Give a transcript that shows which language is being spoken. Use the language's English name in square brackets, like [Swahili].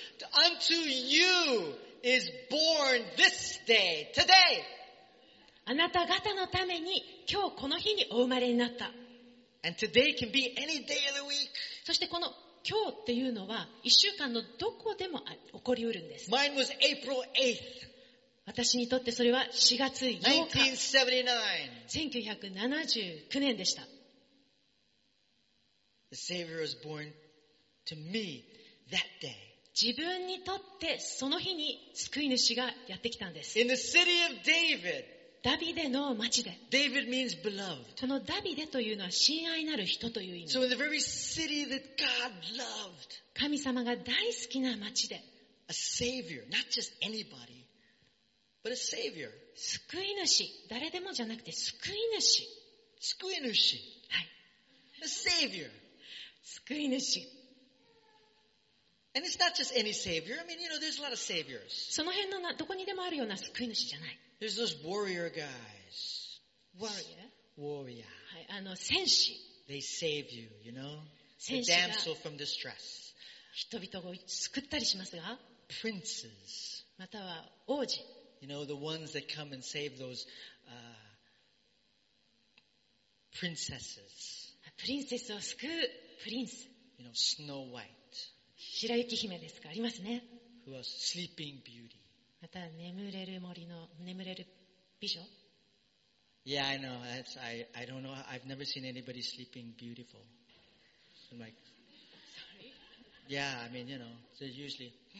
[English] Unto you is born this day, today. [Japanese] あなた方のために今日この日にお生まれになった。 [English] And today can be any day of the week. [Japanese] そしてこの今日っていうのは1週間のどこでも起こりうるんです。 [English] Mine was April 8th. [Japanese] 私にとってそれは4月 8日 1979年でした。 [English] The Savior was born to me that day. [Japanese] 自分にとってその日に救い主がやってきたんです。 [English] In the city of David. [Japanese] ダビデの町で。 [English] David means beloved. [Japanese] このダビデというのは親愛なる人という意味。 [English] So in the very city that God loved. [Japanese] 神様が大好きな町で。 [English] A Savior, not just anybody. But a savior. [Japanese] 救い主、誰でもじゃなくて救い主。救い主。はい。 [English] A savior. [Japanese] 救い主。 [English] And it's not just any savior. I mean, you know, there's a lot of saviors. [Japanese] その辺のな、どこにでもあるような救い主じゃない。 [English] There's those warrior guys. Warrior? Warrior. [Japanese] はい、あの、戦士。 [English] They save you, you know? [Japanese] 戦士。 [English] The damsel from distress. [Japanese] 人々を救ったりしますが。 [English] Princes. [Japanese] または王子。 [English] You know, the ones that come and save those, princesses. [Japanese] プリンセスを救うプリンス。 [English] You know, Snow White. [Japanese] 白雪姫ですか、ありますね。 [English] Who was Sleeping Beauty. [Japanese] また眠れる森の眠れる美女。 [English] Yeah, I know. That's, I don't know. I've never seen anybody sleeping beautiful. So I'm like, sorry. Yeah, I mean, you know, they're usually.